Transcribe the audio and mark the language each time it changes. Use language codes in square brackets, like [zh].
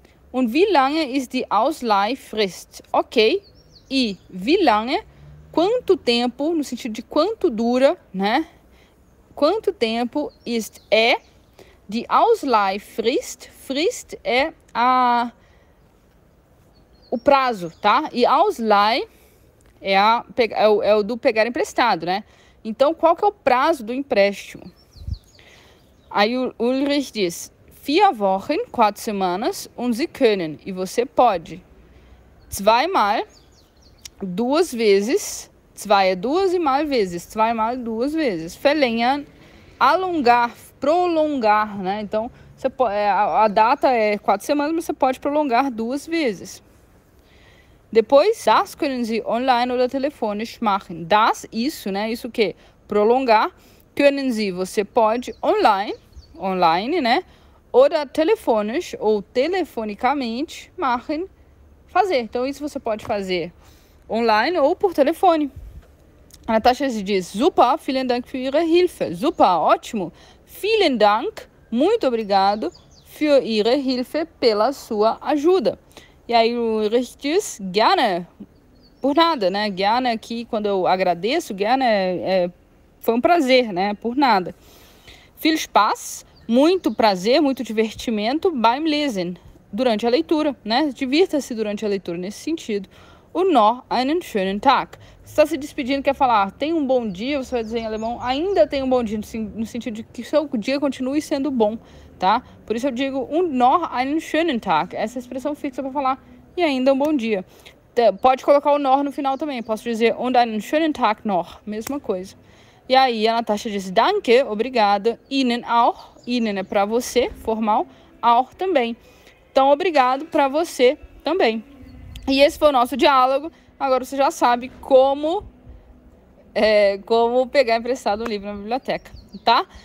[de] Und wie lange ist die Ausleihfrist? Ok. E wie lange? [pt] Quanto tempo, no sentido de quanto dura, né? Quanto tempo ist é die Ausleihfrist? Frist é o prazo, tá? E Ausleih é o do pegar emprestado, né? Então, qual que é o prazo do empréstimo? Aí o Ulrich diz: 4 Wochen, 4 semanas, [de] und Sie können, [pt] e você pode. Zweimal, duas vezes. Zwei é duas e mal vezes. Zwei mal duas vezes. Verlängern, alongar, prolongar, né? Então, você pode, a data é 4 semanas, mas você pode prolongar duas vezes. [de] Depois, das können Sie online oder telefonisch machen. [pt] Das, isso, né? Isso o quê? Prolongar. Können Sie, você pode, online, né? Oder telefonisch, ou telefonicamente, machen, fazer. Então, isso você pode fazer online ou por telefone. A Natasha diz: [de] Super, vielen Dank für Ihre Hilfe. [pt] Super, ótimo. [de] Vielen Dank, [pt] muito obrigado, [de] für Ihre Hilfe, [pt] pela sua ajuda. E aí o Ulrich diz: Gerne, por nada, né? Gerne aqui, quando eu agradeço, gerne, foi um prazer, né? Por nada. [de] Viel Spaß, [pt] muito prazer, muito divertimento, [de] beim Lesen, [pt] durante a leitura, né? Divirta-se durante a leitura, nesse sentido. [de] Und noch einen schönen Tag. [pt] Você está se despedindo, quer falar, tenha um bom dia, você vai dizer em alemão, ainda tenha um bom dia, no sentido de que seu dia continue sendo bom, tá? Por isso eu digo, [de] und noch einen schönen Tag. [pt] Essa é a expressão fixa para falar, E ainda um bom dia. Pode colocar o nor no final também. Posso dizer [de] und einen schönen Tag noch. [pt] Mesma coisa. E aí a Natasha diz danke, obrigada. [de] Ihnen auch. [pt] Ihnen é para você, formal. Auch também. Então, obrigado para você também. E esse foi o nosso diálogo. Agora você já sabe como pegar emprestado um livro na biblioteca, tá?